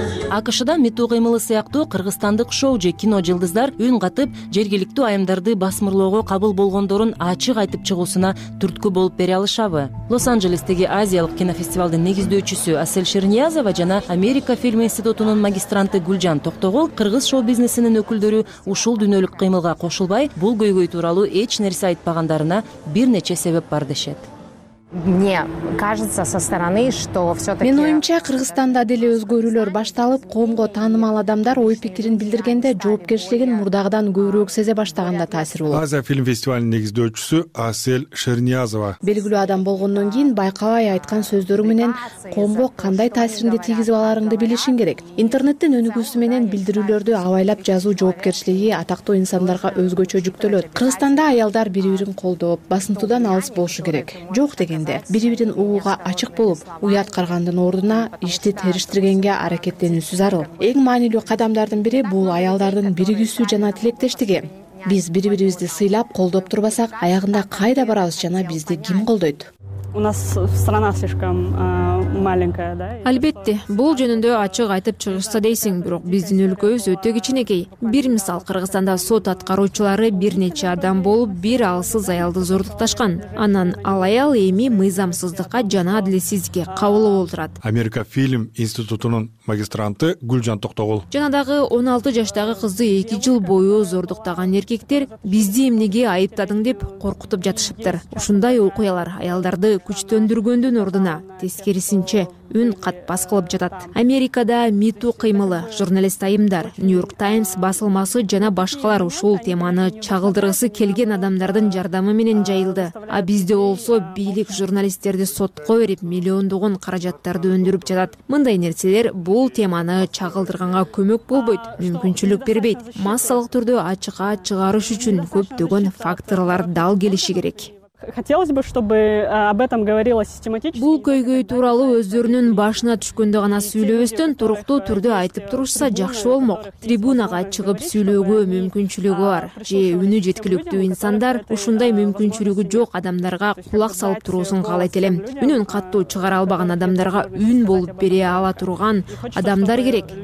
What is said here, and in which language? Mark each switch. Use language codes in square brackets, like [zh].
[ky] АКШ-да мету кыймылы сыяктуу кыргызстандык шоу же кино жылдыздар үн катып, жергиликтүү айымдарды басмырлоого кабыл болгондорун ачык айтып чыгуусуна түрткү болуп бере алышабы? Лос-Анжелестеги Азиялык кинофестивалдын негиздөөчүсү Асель Шерниязова жана Америка фильм институтунун магистранты Гүлжан Токтогул кыргыз шоу бизнесинин өкүлдөрү ушул дүйнөлүк кыймылга кошулбай, бул көйгөй тууралуу эч нерсе айтпагандарына бир нече себеп бар дешет. [ru] Мне кажется со стороны, что всё-таки [ky] Мен оюмча Кыргызстанда деле өзгөрүүлөр башталып, коомго таанымал адамдар ой пикирин билдиргенде жоопкерчилигин мурдагыдан көбүрөөк сезе баштаганда таасир болот. Азия фильм фестивалынын негиздөөчүсү Асель Шерниязова. Белгилүү адам болгондон кийин байкабай айткан сөздөрү менен коомго кандай таасиринди тийгизип аларыңды билишин керек. Интернеттин өнүгүүсү менен билдирүүлөрдү абайлап жазуу жоопкерчилиги атактуу инсандарга өзгөчө жүктөлөт. Кыргызстанда аялдар бири-бирин колдоп, басынтуудан алыс болушу керек. Жок дегенде, бири-бирин угууга ачык болуп, уят каргандын ордуна ишти териштиргенге аракеттенүүсү зарыл. Эң маанилүү кадамдардын бири бул аялдардын биригүүсү жана тилектештиги. Биз бири-бирибизди сыйлап, колдоп турбасак, аягында кайда барабыз жана бизди ким колдойт? [ru] У нас страна слишком маленькая, да? [ky] Албетте, бул жөнүндө ачык айтып чыгышса дейсиң, бирок биздин өлкөбүз өтө кичинекей. Бир мисал, Кыргызстанда сот аткаруучулары бир нече адам болуп, бир алсыз аялды зордукташкан. Анан ал аял эми мыйзамсыздыкка жана адилетсиздикке кабылып отурат. Америка фильм институтунун магистранты Гүлжан Токтогул. Жана дагы 16 жаштагы кызды 2 жыл бою зордуктаган эркектер бизди эмнеге айыптадың деп коркутуп жатышыптыр. Ушундай окуялар аялдарды күчтөндүргөндүн ордуна тескерисинче үн катпас кылып жатат. Америкада миту кыймылы, журналист айымдар, Нью-Йорк Таймс басылмасы жана башкалар ушул теманы чагылдыргысы келген адамдардын жардамы менен жайылды. А бизде болсо бийлик журналисттерди сотко берип миллиондогон каражаттарды өндүрүп жатат. Мындай нерселер бул теманы чагылдырганга көмөк болбойт, мүмкүнчүлүк бербейт. Массалык түрдө ачыкка чыгарыш үчүн көптөгөн факторлор дал келиши керек. [ru] Хотелось бы, чтобы об этом говорилось систематически. [ky] Бул көйгөй тууралуу өздөрүнүн башына түшкөндө гана сүйлөбөстөн туруктуу түрдө айтып турушса жакшы болмок. Трибунага чыгып сүйлөөгө мүмкүнчүлүгү бар. Же үнү жеткиликтүү инсандар ушундай мүмкүнчүлүгү жок адамдарга кулак салып туруусун каалайт элем. Үнүн каттуу чыгара албаган адамдарга үн болуп бере ала турган адамдар керек.